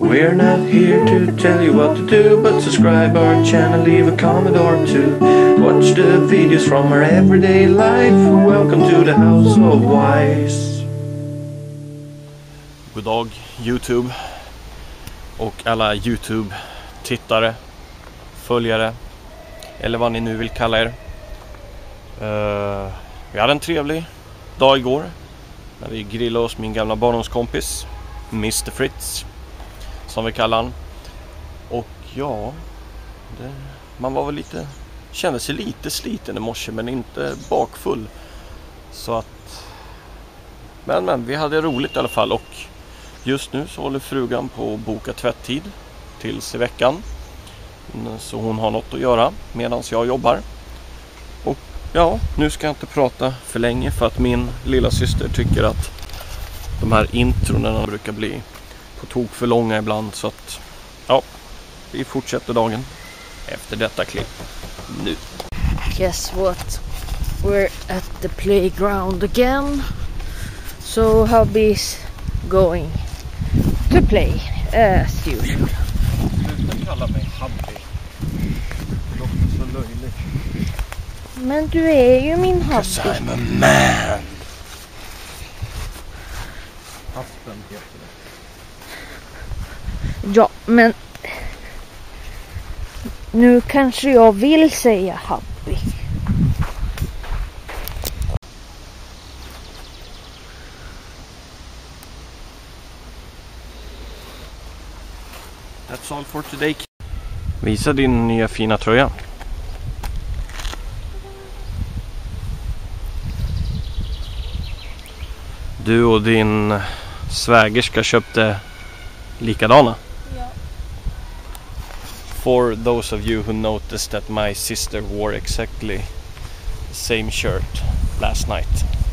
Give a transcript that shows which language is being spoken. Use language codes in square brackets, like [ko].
[en] We're not here to tell you what to do, but subscribe our channel, leave a comment or two. Watch the videos from our everyday life. Welcome to the House of Wise. [sv] God dag YouTube och alla YouTube-tittare, följare eller vad ni nu vill kalla er. Vi hade en trevlig dag igår när vi grillade oss min gamla barndomskompis Mr. Fritz, som vi kallar han. Och ja, man var väl lite, kände sig lite sliten i morse, men inte bakfull. Så att, men vi hade roligt i alla fall. Och just nu så håller frugan på att boka tvätttid tills i veckan, så hon har något att göra medan jag jobbar. Och ja, nu ska jag inte prata för länge, för att min lilla syster tycker att de här intronerna brukar bli på tok för långa ibland. Så att ja, vi fortsätter dagen efter detta klipp nu. [en] Guess what? We're at the playground again. So hubby's going to play as usual. [sv] Sluta kalla mig hubby. Det låter så löjligt. Men du är ju min hubby. [en] 'Cause I'm a man. [sv] Aspen heter det. Ja, men nu kanske jag vill säga happy. [en] That's all for today. [sv] Visa din nya fina tröja. Du och din svägerska köpte likadana. [en] For those of you who noticed that my sister wore exactly the same shirt last night.